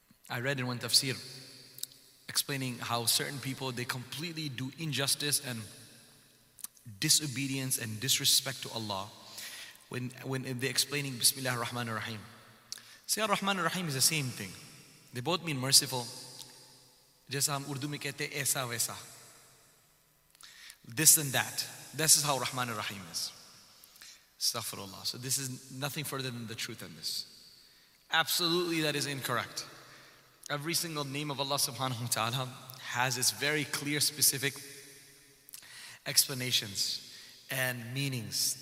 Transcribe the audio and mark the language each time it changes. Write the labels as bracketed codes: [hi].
[en] I read in one tafsir explaining how certain people, they completely do injustice and disobedience and disrespect to Allah when they're explaining Bismillah ar-Rahman ar-Rahim. Say ar-Rahman ar-Rahim is the same thing. They both mean merciful. [ur] جیسا ہم اردو میں کہتے ایسا ویسا۔ [en] This and that. This is how Rahman ar-Rahim is. Astaghfirullah. So this is nothing further than the truth in this. Absolutely, that is incorrect. Every single name of Allah subhanahu wa ta'ala has its very clear, specific explanations and meanings.